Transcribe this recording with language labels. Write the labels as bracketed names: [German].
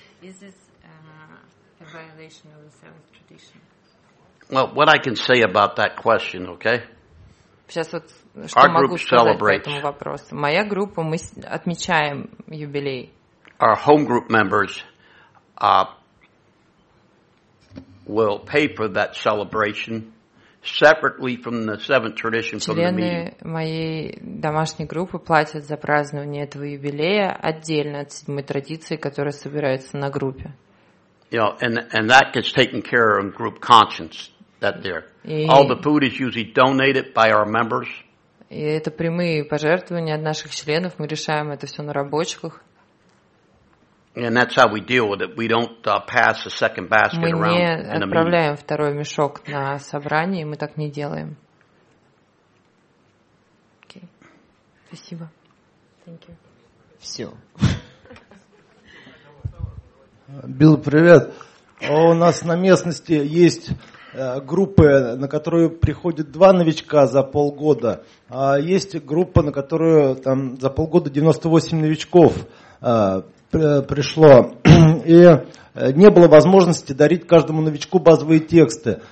[English] Is this a violation of the seventh tradition? Well, what I can say about that question, okay? [Russian] Сейчас вот что our могу сказать по этому вопросу. Моя группа, мы отмечаем юбилей. [English] Our home group members will pay for that celebration separately from the seventh tradition. [Russian] Члены моей домашней группы платят за празднование этого юбилея отдельно от седьмой традиции, которая собирается на группе. [English] You know, and that gets taken care of in group conscience. That there. All the food is usually donated by our members. [Russian] И это прямые пожертвования от наших членов. Мы решаем это все на рабочих. And that's how we deal with it. We don't pass a second basket around. Мы не отправляем второй мешок на собрание. Мы так не делаем. Окей. Спасибо. [English] Thank you. [Russian] Все. Билл, привет. У нас на местности есть группы, на которую приходят два новичка за полгода, а есть группа, на которую там за полгода 98 новичков пришло, и не было возможности дарить каждому новичку базовые тексты.